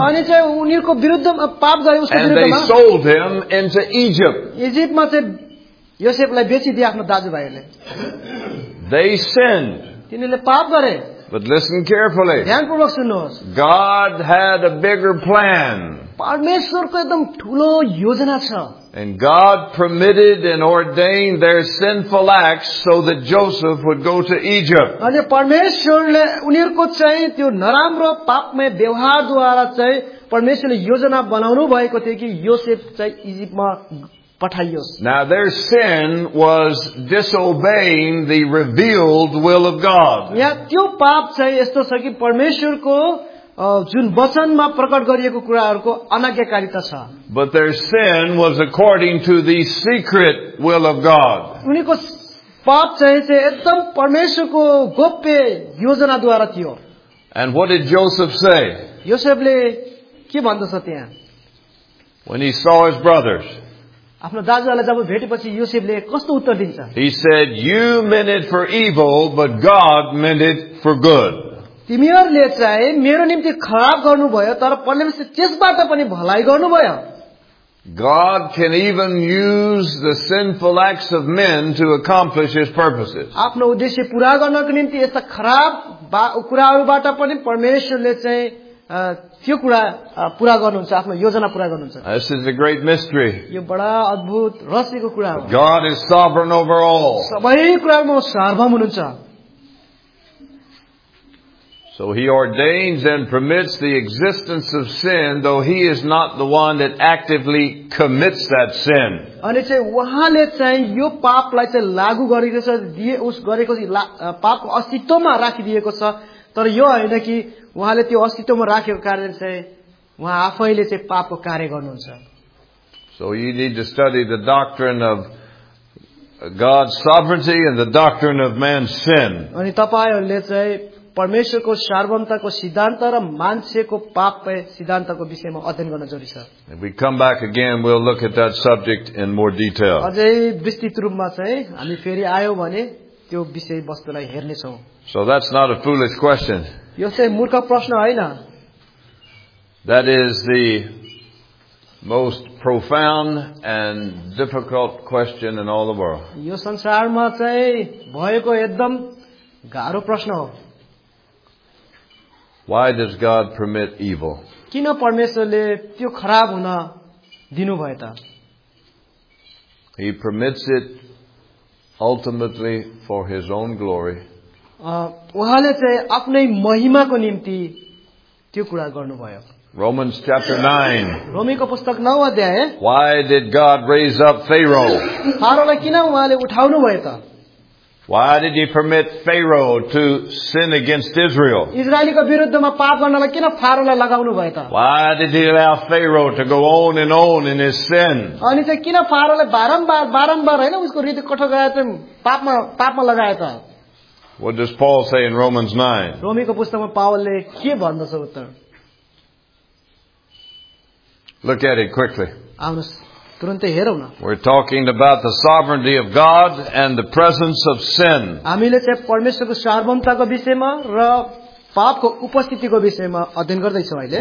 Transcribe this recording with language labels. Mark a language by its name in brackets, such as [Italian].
[Nepali] अनि चाहिँ उनीहरूको विरुद्धमा पाप गरे उसको विरुद्धमा. [English] And they sold him into Egypt. [Nepali] इजिप्टमा चाहिँ योसेफलाई बेचिदिए आफ्नो दाजुभाइहरूले. [English] They sinned. [Nepali] तिनीहरूले पाप गरे. [English] But listen carefully. [Nepali] ध्यानपूर्वक सुन्नुहोस्. [English] God had a bigger plan. [Nepali] परमेश्वरको एकदम ठूलो योजना छ. [English] And God permitted and ordained their sinful acts so that Joseph would go to Egypt. [Nepali] अनि परमेश्वरले उनीहरुको चाहिँ त्यो नराम्रो पापमय व्यवहारद्वारा चाहिँ परमेश्वरले योजना बनाउनु भएको थियो कि योसेफ चाहिँ इजिप्टमा पठाइयोस्. [English] Now their sin was disobeying the revealed will of God. [Nepali] यहाँ त्यो पाप चाहिँ यस्तो छ कि परमेश्वरको जुन वचनमा प्रकट गरिएको कुराहरूको अनज्ञाकारिता छ. [English] But their sin was according to the secret will of God. [Nepali] उनीको पाप चाहिँ एकदम परमेश्वरको गोप्य योजनाद्वारा थियो. [English] And what did Joseph say? [Nepali] योसेफले के भन्दछ त्यहाँ? [English] When he saw his brothers. [Nepali] आफ्नो दाजुहरूलाई जब भेटेपछि योसेफले कस्तो उत्तर दिन्छ? [English] He said, "You meant it for evil, but God meant it for good." [Nepali] तिमीहरूले चाहिँ मेरो निम्ति खराब गर्नुभयो तर परमेश्वरले त्यसबाट पनि भलाइ गर्नुभयो. [English] God can even use the sinful acts of men to accomplish his purposes. [Nepali] आफ्नो उद्देश्य पूरा गर्नको निम्ति यस्ता खराब कुराहरूबाट पनि परमेश्वरले चाहिँ त्यो कुरा पूरा गर्नुहुन्छ, आफ्नो योजना पूरा गर्नुहुन्छ. [English] This is a great mystery. [Nepali] यो बडा अद्भुत रहस्यको कुरा हो. [English] God is sovereign over all. [Nepali] सबै कुरामा सार्वभौम हुनुहुन्छ. [English] So he ordains and permits the existence of sin, though he is not the one that actively commits that sin. [Nepali] अनि चाहिँ उहाँले चाहिँ यो पापलाई चाहिँ लागू गरेको छ, दिए उस गरेको पापको अस्तित्वमा राखिदिएको छ, तर यो होइन कि उहाँले त्यो अस्तित्वमा राखेको कारण चाहिँ उहाँ आफैले चाहिँ पापको कार्य गर्नुहुन्छ. [English] So you need to study the doctrine of God's sovereignty and the doctrine of man's sin. [Nepali] अनि तपाईहरूले चाहिँ परमेश्वरको सार्वभौमताको सिद्धान्त र मान्छेको पाप सिद्धान्तको विषयमा अध्ययन गर्न जरुरी छ. [English] We come back again, we'll look at that subject in more detail. [Nepali] अझै विस्तृत रूपमा चाहिँ हामी फेरि आयौँ भने त्यो विषयवस्तुलाई हेर्नेछौँ. [English] So that's not a foolish question. [Nepali] यो चाहिँ मूर्ख प्रश्न होइन. [English] That is the most profound and difficult question in all the world. [Nepali] यो संसारमा चाहिँ भएको एकदम गाह्रो प्रश्न हो. [English] Why does God permit evil? [Nepali] किन परमेश्वरले त्यो खराब हुन दिनुभयो त? [English] He permits it ultimately for his own glory. [Nepali] उहाँले चाहिँ आफ्नै महिमाको निम्ति त्यो कुरा गर्नुभयो. [English] Romans chapter 9. [Nepali] रोमीको पुस्तक 9 अध्याय. [English] Why did God raise up Pharaoh? [Nepali] फारोलाई किन उहाँले उठाउनु भयो त? [English] Why did he permit Pharaoh to sin against Israel? [Nepali] इजरायलको विरुद्धमा पाप गर्नलाई किन फारोलाई लगाउनु भयो त? [English] Why did he allow Pharaoh to go on and on in his sin? [Nepali] अनि चाहिँ किन फारोलाई बारम्बार हैन उसको हृदय कठोर गरे त पापमा लगाए त? [English] What does Paul say in Romans 9? [Nepali] रोमीको पुस्तकमा पावलले के भन्दछ उत्तर? [English] Look at it quickly. [Nepali] आउनुस तुरन्तै हेरौ न. [English] We're talking about the sovereignty of God and the presence of sin. [Nepali] हामीले चाहिँ परमेश्वरको सार्वभौमताको विषयमा र पापको उपस्थितिको विषयमा अध्ययन गर्दै छौ अहिले.